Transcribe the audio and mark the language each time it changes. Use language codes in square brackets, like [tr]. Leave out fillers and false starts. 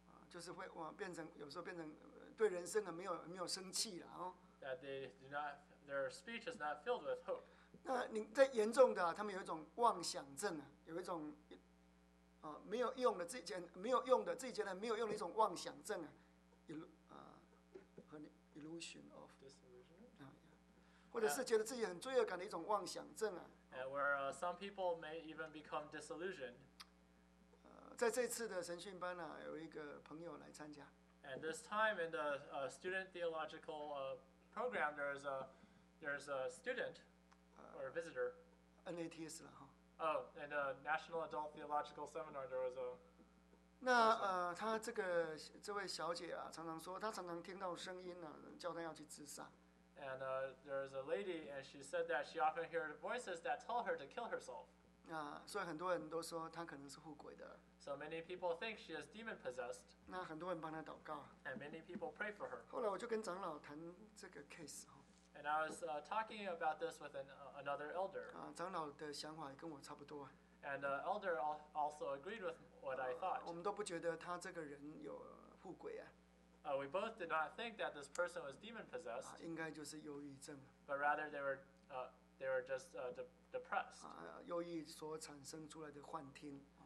[zh] 就是会往变成有时候变成对人生没有生气了哦。 [en] That they do not, their speech is not filled with hope. [zh] 那你在严重的、啊，他们有一种妄想症啊，有一种啊没有用的自己没有用的自己觉得没有用的一种妄想症啊， [en] illusion of disillusion [zh] 啊，或者是觉得自己很罪恶感的一种妄想症啊。 [en] And where some people may even become disillusioned. [zh] 在这次的神训班呢、啊，有一个朋友来参加。 [en] And this time in the student theological program, there's a student or a visitor. [zh] NATS 了哈。 [en] Oh, and a National Adult Theological Seminar, there was a. [zh] 那他这位小姐啊，常常说，她常常听到声音呢、啊，叫她要去自杀。 [en] And there's a lady, and she said that she often heard voices that tell her to kill herself. [zh] 所以很多人都说他可能是护鬼的。 [en] So many people think she is demon possessed. [zh] 那很多人帮他祷告。 [en] And many people pray for her. [zh] 后来我就跟长老谈这个 case. [en] And I was talking about this with another elder. [zh] 长老的想法跟我差不多。 [en] And the elder also agreed with what I thought. [zh] 我们都不觉得他这个人有护鬼啊。 [en] We both did not think that this person was demon possessed. [zh] 应该就是忧郁症。 [en] But rather they were just depressed. [zh] 忧郁所产生出来的幻听。